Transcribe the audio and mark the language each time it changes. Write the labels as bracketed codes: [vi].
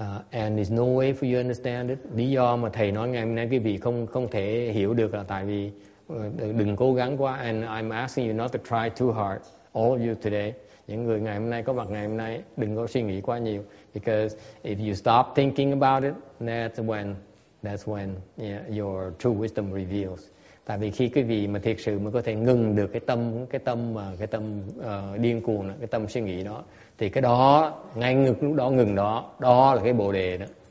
[en] And there's no way for you to understand it. [vi] Lý do mà thầy nói ngày hôm nay quý vị không thể hiểu được là tại vì đừng cố gắng quá. [en] And I'm asking you not to try too hard, all of you today. [vi] Những người ngày hôm nay có mặt ngày hôm nay đừng có suy nghĩ quá nhiều, [en] because if you stop thinking about it, that's when your true wisdom reveals. [vi] Tại vì khi quý vị mà thiệt sự mà có thể ngừng được cái tâm điên cuồng đó, cái tâm suy nghĩ đó, thì cái đó ngay lúc đó ngừng đó, đó là cái bồ đề đó.